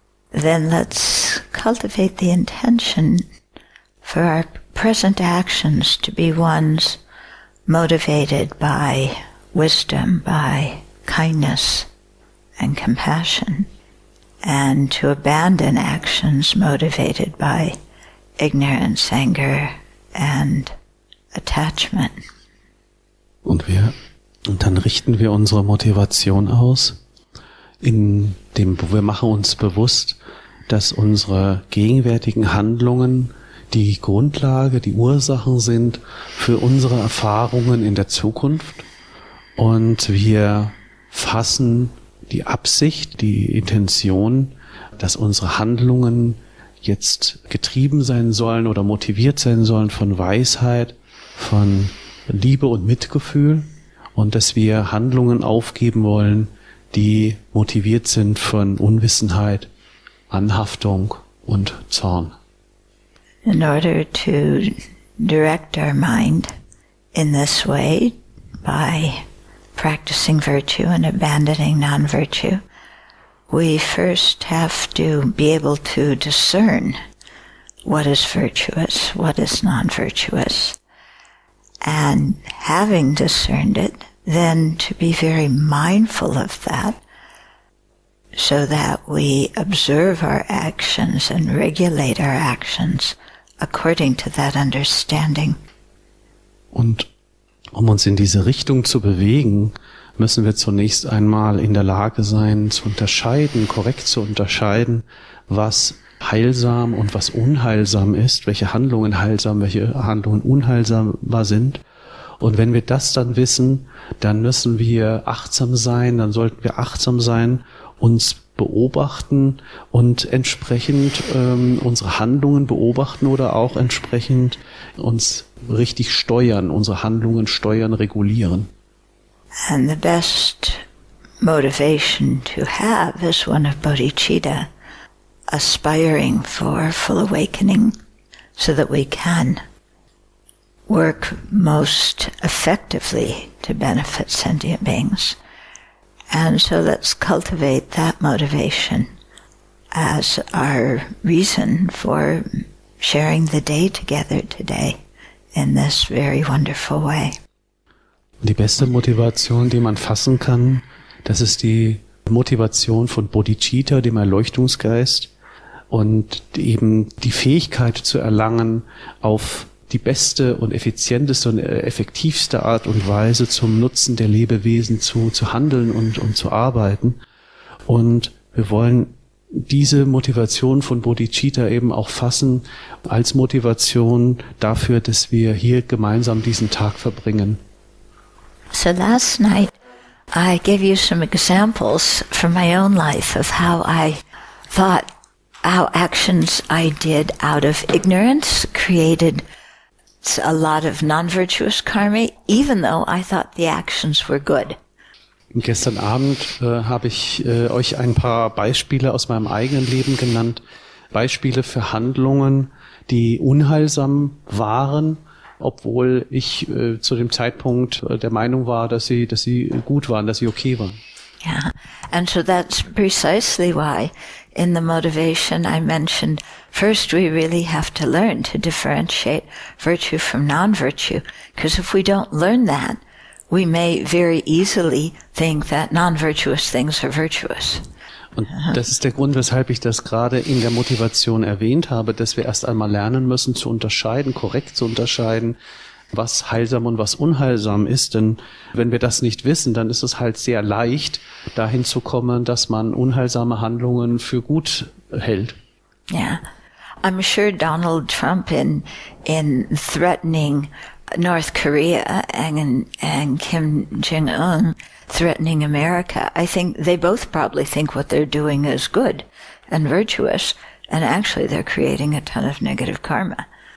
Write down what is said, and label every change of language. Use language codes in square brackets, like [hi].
[en] then let's cultivate the intention for our present actions to be ones motivated by wisdom, by kindness and compassion, and to abandon actions motivated by ignorance, anger and attachment. [de] Und dann richten wir unsere Motivation aus, wir machen uns bewusst, dass unsere gegenwärtigen Handlungen die Grundlage, die Ursachen sind für unsere Erfahrungen in der Zukunft. Und wir fassen die Absicht, die Intention, dass unsere Handlungen jetzt getrieben sein sollen oder motiviert sein sollen von Weisheit, von Liebe und Mitgefühl. Und dass wir Handlungen aufgeben wollen, die motiviert sind von Unwissenheit, Anhaftung und Zorn. [en] In order to direct our mind in this way, by practicing virtue and abandoning non-virtue, we first have to be able to discern what is virtuous, what is non-virtuous. And having discerned it, then to be very mindful of that, so that we observe our actions and regulate our actions according to that understanding. [de] Und um uns in diese Richtung zu bewegen, müssen wir zunächst einmal in der Lage sein, korrekt zu unterscheiden, was heilsam und was unheilsam ist, welche Handlungen heilsam, welche Handlungen unheilsamer sind. Und wenn wir das dann wissen, dann sollten wir achtsam sein, uns beobachten und entsprechend unsere Handlungen beobachten oder auch entsprechend uns richtig steuern, unsere Handlungen steuern, regulieren. [en] And the best motivation to have is one of bodhicitta, aspiring for full awakening, so that we can work most effectively to benefit sentient beings. And so let's cultivate that motivation as our reason for sharing the day together today in this very wonderful way. [de] Die beste Motivation, die man fassen kann, das ist die Motivation von Bodhicitta, dem Erleuchtungsgeist, und eben die Fähigkeit zu erlangen, auf die beste und effizienteste und effektivste Art und Weise zum Nutzen der Lebewesen zu handeln und zu arbeiten. Und wir wollen diese Motivation von Bodhicitta eben auch fassen als Motivation dafür, dass wir hier gemeinsam diesen Tag verbringen. [en] So last night I gave you some examples from my own life of how I thought how actions I did out of ignorance created a lot of non-virtuous karma, even though I thought the actions were good. [de] Gestern Abend habe ich euch ein paar Beispiele aus meinem eigenen Leben genannt. Beispiele für Handlungen, die unheilsam waren, obwohl ich zu dem Zeitpunkt der Meinung war, dass sie gut waren, dass sie okay waren. [en] Yeah, and so that's precisely why in the motivation I mentioned, first we really have to learn to differentiate virtue from non-virtue, because if we don't learn that, we may very easily think that non-virtuous things are virtuous. [de] Und das ist der Grund, weshalb ich das gerade in der Motivation erwähnt habe, dass wir erst einmal lernen müssen zu unterscheiden, korrekt zu unterscheiden, was heilsam und was unheilsam ist. Denn wenn wir das nicht wissen, dann ist es halt sehr leicht, dahin zu kommen, dass man unheilsame Handlungen für gut hält. [en] Yeah. I'm sure Donald Trump in threatening North Korea and Kim Jong-un threatening America, I think they both probably think what they're doing is good and virtuous, and actually they're creating a ton of negative karma.